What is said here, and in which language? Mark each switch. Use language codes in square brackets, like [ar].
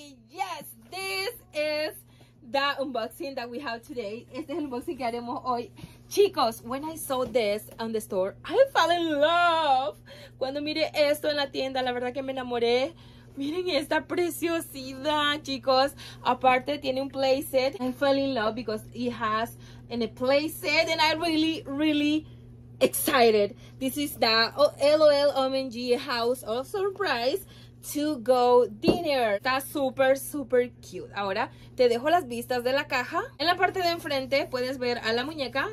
[en] Yes, this is the unboxing that we have today. [es] Este es el unboxing que haremos hoy. Chicos, [en] when I saw this on the store, I fell in love. [es] Cuando miré esto en la tienda, la verdad que me enamoré. Miren esta preciosidad, chicos. Aparte, tiene un playset. [en] I fell in love because it has a playset, and I really, really excited. This is the LOL OMG house of surprise to go dinner. [es] Está super super cute. Ahora te dejo las vistas de la caja. En la parte de enfrente puedes ver a la muñeca.